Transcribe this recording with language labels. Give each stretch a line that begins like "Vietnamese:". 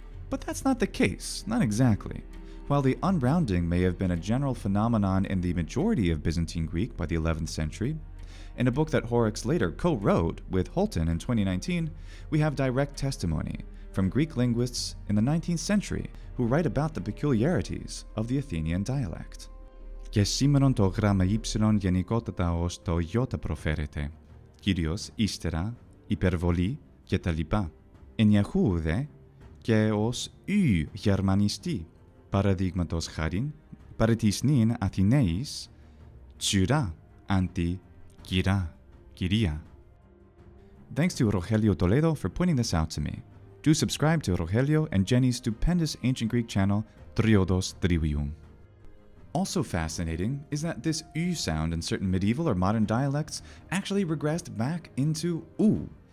English: But that's not the case, not exactly. While the unrounding may have been a general phenomenon in the majority of Byzantine Greek by the 11th century, in a book that Horrocks later co-wrote with Holton in 2019, we have direct testimony from Greek linguists in the 19th century who write about the peculiarities of the Athenian dialect.
Greek: Και σήμερον το γράμμα ύψιλον γενικότατα ως το ιώτα προφέρεται, κυρίως ύστερα, υπερβολή και τα λοιπά, ενιαχού ουδέ και ως ου γερμανιστή, παραδείγματος χάριν, παρά της νυν Αθηναίης, τσουρά αντί κυρά, κυρία.
English: Thanks to Rogelio Toledo for pointing this out to me. Do subscribe to Rogelio and Jenny's stupendous ancient Greek channel, Triodos Trivium. Also fascinating is that this U sound in certain medieval or modern dialects actually regressed back into U.